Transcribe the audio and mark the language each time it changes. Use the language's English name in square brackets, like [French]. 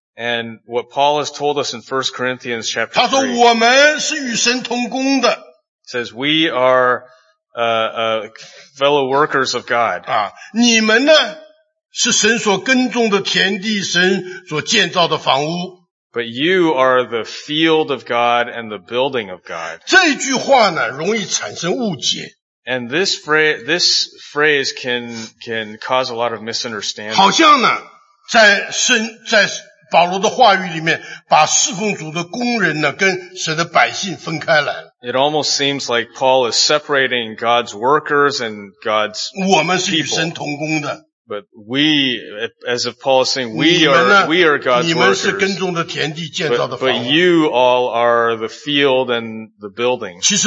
[English] and what Paul has told us in 1 Corinthians chapter 3, [Chinese] 他说我们是与神同工的, [English] says we are fellow workers of God. [Chinese] 你们呢是神所耕种的田地，神所建造的房屋。 [English] But you are the field of God and the building of God. [Chinese] 这句话呢, 容易产生误解。 [English] And this phrase can cause a lot of misunderstanding. [Chinese] 好像呢, 在保罗的话语里面, 把侍奉主的工人呢, 跟神的百姓分开来。 [English] It almost seems like Paul is separating God's workers and God's people. [Chinese] 我们是与神同工的。 [English] But we, as if Paul is saying, we are God's workers. But you all are the field and the building.